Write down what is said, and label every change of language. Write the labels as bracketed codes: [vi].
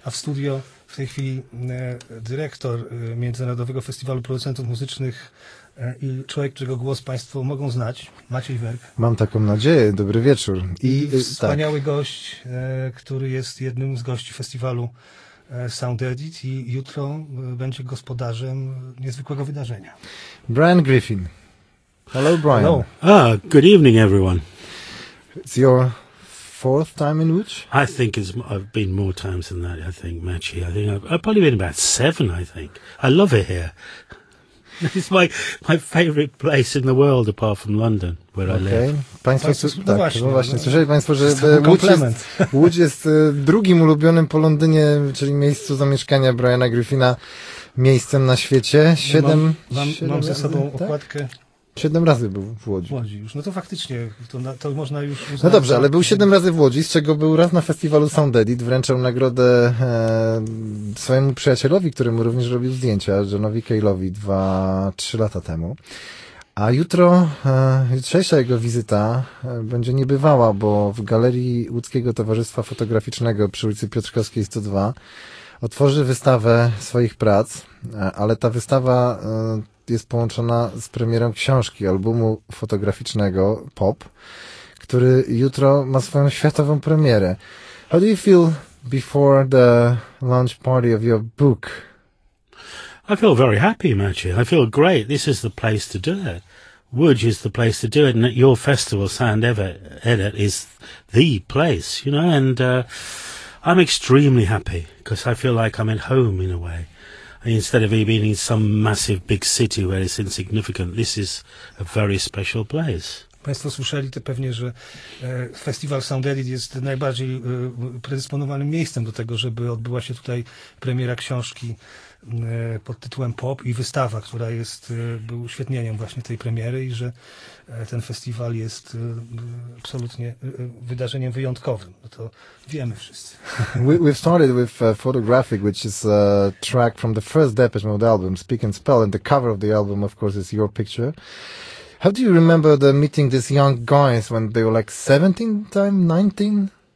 [pl] a w studio w tej chwili dyrektor Międzynarodowego Festiwalu Producentów Muzycznych i człowiek, którego głos Państwo mogą znać, Maciej Werk. Mam taką nadzieję, dobry wieczór. I wspaniały gość, który jest jednym z gości festiwalu Sound Edit i jutro będzie gospodarzem niezwykłego wydarzenia. [en] Brian Griffin. Hello, Brian. Hello. Ah, good evening, everyone. It's your fourth time in Łódź? I think I've been more times than that, I think, Maciej. I think I've probably been about seven, I think. I love it here. It's my favorite place in the world, apart from London, where I live. [pl] Państwo, słyszeli Państwo, że Łódź jest drugim ulubionym po Londynie, czyli miejscu zamieszkania Briana Griffina, miejscem na świecie. Mam ze sobą okładkę. Siedem razy był w Łodzi. No to faktycznie, to można już uznać. No dobrze, ale był siedem razy w Łodzi, z czego był raz na festiwalu Sound Edit, wręczał nagrodę swojemu przyjacielowi, któremu również robił zdjęcia, Johnowi Cale'owi, 2-3 lata temu. A jutrzejsza jego wizyta będzie niebywała, bo w galerii Łódzkiego Towarzystwa Fotograficznego przy ulicy Piotrkowskiej 102 otworzy wystawę swoich prac, ale ta wystawa jest połączona z premierą książki, albumu fotograficznego Pop, który jutro ma swoją światową premierę. [en] How do you feel before the launch party of your book? I feel very happy, Maciej. I feel great. This is the place to do it. Łódź is the place to do it, and at your festival, Sound Edit, is the place, you know, and I'm extremely happy because I feel like I'm at home in a way. Instead of being in some massive big city where it's insignificant, this is a very special place. [pl] Państwo słyszeli to pewnie, że festiwal Sound Edit jest najbardziej predysponowanym miejscem do tego, żeby odbyła się tutaj premiera książki pod tytułem Pop i wystawa, która jest był uświetnieniem właśnie tej premiery i że ten festiwal jest absolutnie wydarzeniem wyjątkowym. No to wiemy wszyscy. [en] We've started with Photographic, which is a track from the first Depeche Mode album, Speak and Spell, and the cover of the album, of course, is your picture. How do you remember the meeting these young guys when they were like 17, 19?